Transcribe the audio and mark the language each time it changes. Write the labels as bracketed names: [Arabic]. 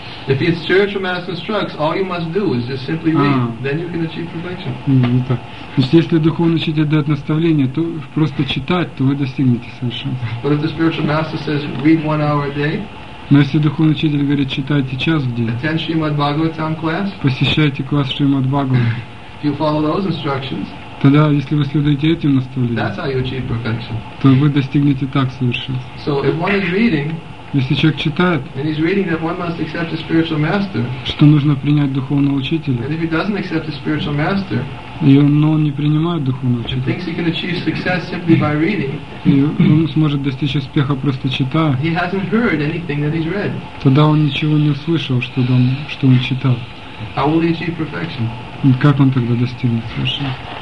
[English] If it's spiritual master instructs, all you must do is just simply read, then you can achieve perfection. [Russian] Не так. То есть, если духовный учитель дает наставление, то просто читать, то вы достигнете совершенства. [English] But if the spiritual master says read 1 hour a day, [Russian] но если духовный учитель говорит читайте час в день, [English] attend Shrimad Bhagavatam class, [Russian] посещайте класс Шримад Бхагаватам, [English] if you follow those instructions, [Russian] тогда, если вы следуете этим наставлениям, то вы достигнете так совершенства. [English] So if one is reading, [Russian] если человек читает, [English] and he's reading that one must accept a spiritual master, [Russian] что нужно принять духовного учителя, [English] and if he doesn't accept a spiritual master, [Russian] и он, но он не принимает духовного учителя, [English] thinks he can achieve success simply by reading, [Russian] и он сможет достичь успеха просто читая, [English] he hasn't heard anything that he's read, [Russian] тогда он ничего не услышал, что он читал. [English] How will he achieve perfection? [Russian] Как он тогда достигнет совершенства?